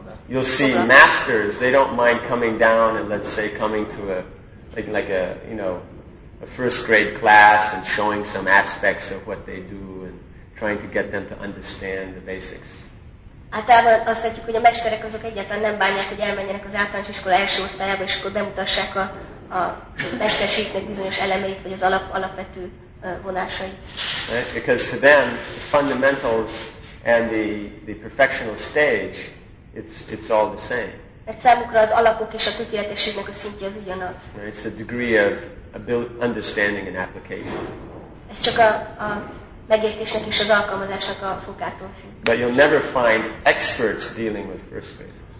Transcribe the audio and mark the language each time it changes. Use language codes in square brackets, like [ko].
[en] You'll see masters, they don't mind coming down and let's say coming to a like a, you know, a first grade class and showing some aspects of what they do and trying to get them to understand the basics. [hu] Általában azt látjuk, hogy a mesterek azok egyáltalán nem bánják, hogy elmenjenek az általános iskola első osztályába, és akkor bemutassák a mesterségnek bizonyos elemeit, vagy az alapvető vonásait. [en] Because to them, the fundamentals and the perfectional stage, it's all the same. [hu] Mert számukra az alapok és a tökéletességnek a szintje az ugyanaz. [en] It's the degree of understanding and application. [hu] Ez csak a megértésnek és az alkalmazásnak a fokától függ. [en] But you'll never find experts dealing with first graders.